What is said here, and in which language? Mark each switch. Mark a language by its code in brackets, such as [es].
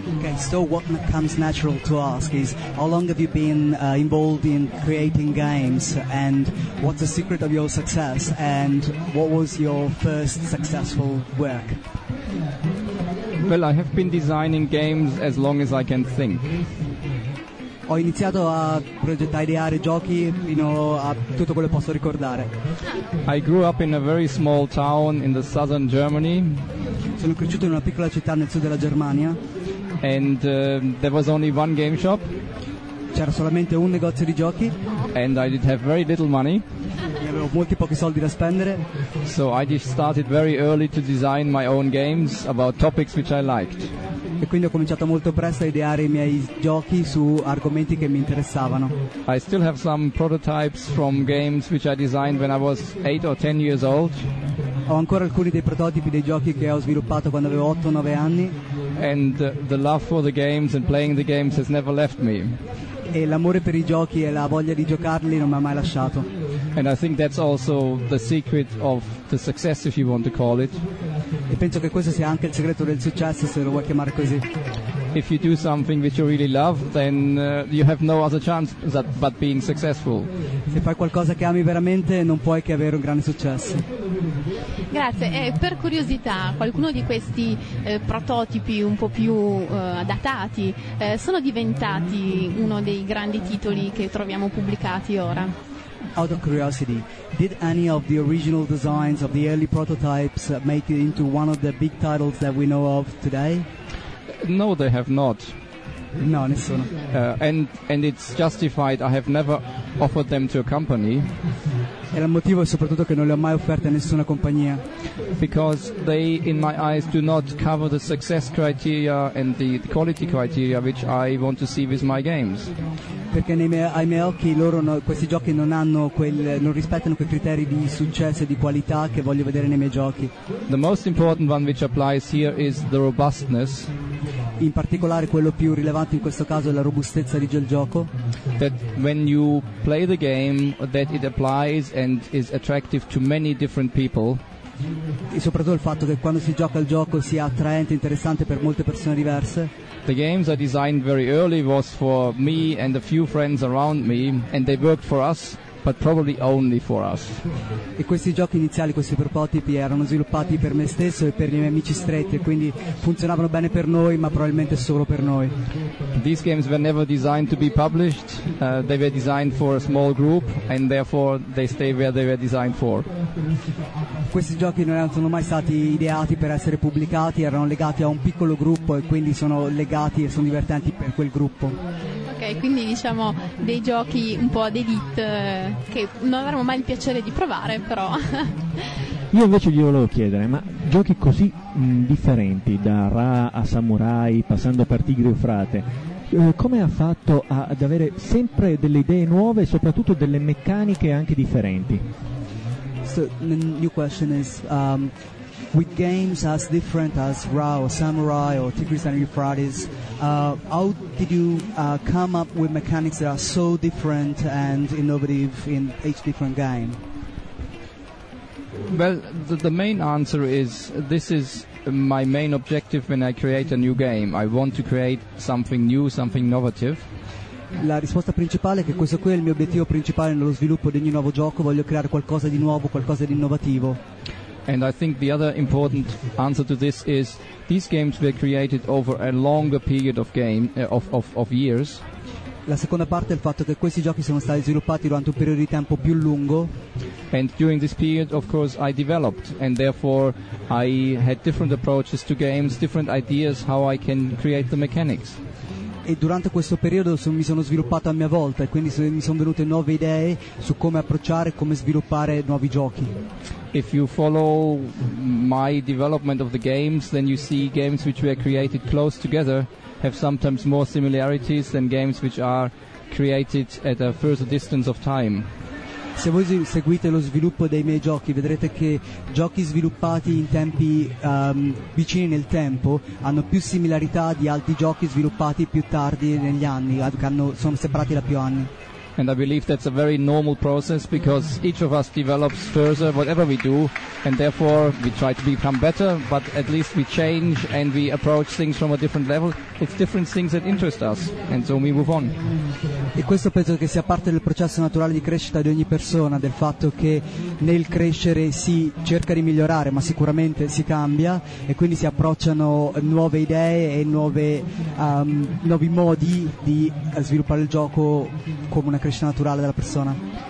[en] Okay, so what comes natural to ask is, how long have you been involved in creating games, and what's the secret of your success, and what was your first successful work? Well, I have been designing games as long as I can think. [it] Ho iniziato a progettare, ideare giochi fino a tutto quello che posso ricordare. [en] I grew up in a very small town in the southern Germany. [it] Sono cresciuto in una piccola città nel sud della Germania. [en] And there was only one game shop. [it] C'era solamente un negozio di giochi. [en] And I did have very little money. [it] Avevo molti pochi soldi da spendere. [en] So I just started very early to design my own games about topics which I liked. [it] E quindi ho cominciato molto presto a ideare i miei giochi su argomenti che mi interessavano. [en] I still have some prototypes from games which I designed when I was 8 or 10 years old. [it] Ho ancora alcuni dei prototipi dei giochi che ho sviluppato quando avevo 8 o 9 anni. [en] And the love for the games and playing the games has never left me. [it] E l'amore per i giochi e la voglia di giocarli non mi ha mai lasciato. [en] And I think that's also the secret of the success, if you want to call it. [it] E penso che questo sia anche il segreto del successo, se lo vuoi chiamare così. [en] If you do something which you really love, then you have no other chance but being successful. [it] Se fai qualcosa che ami veramente, non puoi che avere un grande successo. Grazie. E per curiosità, qualcuno di questi prototipi un po' più datati sono diventati uno dei grandi titoli che troviamo pubblicati ora? [en] Out of curiosity, did any of the original designs of the early prototypes make it into one of the big titles that we know of today? No, they have not. [it] No, nessuno. [en] And it's justified. I have never offered them to a company. [it] E il motivo è soprattutto che non le ho mai offerte a nessuna compagnia. [en] Because they, in my eyes, do not cover the success criteria and the quality criteria which I want to see with my games. [it] Perché ai miei occhi loro questi giochi non rispettano quei criteri di successo e di qualità che voglio vedere nei miei giochi. [en] The most important one which applies here is the robustness. [it] In particolare quello più rilevante in questo caso è la robustezza di quel gioco. [en] That when you play the game, that it applies and is attractive to many different people. [it] E soprattutto il fatto che quando si gioca il gioco sia attraente e interessante per molte persone diverse. [en] The games I designed very early was for me and a few friends around me, and they worked for us, but probably only for us. [it] E questi giochi iniziali, questi prototipi, erano sviluppati per me stesso e per i miei amici stretti, quindi funzionavano bene per noi, ma probabilmente solo per noi. [en] These games were never designed to be published. They were designed for a small group, and therefore they stay where they were designed for. [it] Questi giochi non sono mai stati ideati per essere pubblicati, erano legati a un piccolo gruppo e quindi sono legati e sono divertenti per quel gruppo. Ok, quindi diciamo dei giochi un po' ad elite che non avremmo mai il piacere di provare, però. Io invece gli volevo chiedere, ma giochi così differenti, da Ra a Samurai, passando per Tigre e Frate, come ha fatto ad avere sempre delle idee nuove e soprattutto delle meccaniche anche differenti? [en] So the new question is with games as different as Raw or Samurai or Tigris and Euphrates, how did you come up with mechanics that are so different and innovative in each different game? Well, the main answer is this is my main objective when I create a new game. I want to create something new, something innovative. [it] La risposta principale è che questo qui è il mio obiettivo principale nello sviluppo di ogni nuovo gioco. Voglio creare qualcosa di nuovo, qualcosa di innovativo. [en] And I think the other important answer to this is these games were created over a longer period of game of years. [it] La seconda parte è il fatto che questi giochi sono stati sviluppati durante un periodo di tempo più lungo. [en] And during this period, of course, I developed, and therefore I had different approaches to games, different ideas how I can create the mechanics. [it] E durante questo periodo mi sono sviluppato a mia volta, e quindi mi sono venute nuove idee su come approcciare e come sviluppare nuovi giochi. [en] If you follow my development of the games, then you see games which were created close together have sometimes more similarities than games which are created at a further distance of time. [it] Se voi seguite lo sviluppo dei miei giochi, vedrete che giochi sviluppati in tempi vicini nel tempo hanno più similarità di altri giochi sviluppati più tardi negli anni, che sono separati da più anni. [en] And I believe that's a very normal process because each of us develops further whatever we do, and therefore we try to become better, but at least we change and we approach things from a different level. It's different things that interest us, and so we move on. [it] E questo penso che sia parte del processo naturale di crescita di ogni persona, del fatto che nel crescere si cerca di migliorare, ma sicuramente si cambia, e quindi si approcciano nuove idee e nuovi modi di sviluppare il gioco come una crescita naturale della persona.